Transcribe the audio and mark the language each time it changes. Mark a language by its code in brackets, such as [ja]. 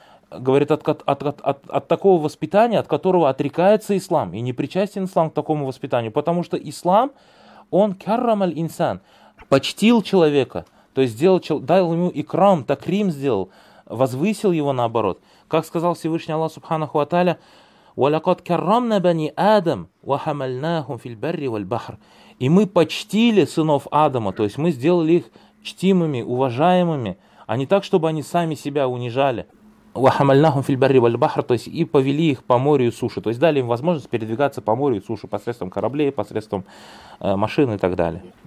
[ru] говорит, от такого воспитания, от которого отрекается ислам, и не причастен ислам к такому воспитанию, потому что ислам, он [ar] каррам аль-инсан, [ru] почтил человека, то есть сделал, дал ему икрам, такрим сделал, возвысил его наоборот. Как сказал Всевышний Аллах Субханаху Аталя, [ar] وَلَقَدْ كَرَّمْنَا بَنِي آدَمْ وَحَمَلْنَاهُمْ فِي الْبَرِّ وَالْبَحْرِ. [ru] И мы почтили сынов Адама, то есть мы сделали их чтимыми, уважаемыми, а не так, чтобы они сами себя унижали. [ar] وَحَمَلْنَاهُمْ فِي الْبَرِّ وَالْبَحْرِ, [ru] то есть и повели их по морю и суше, то есть дали им возможность передвигаться по морю и суше посредством кораблей, посредством машин и так далее.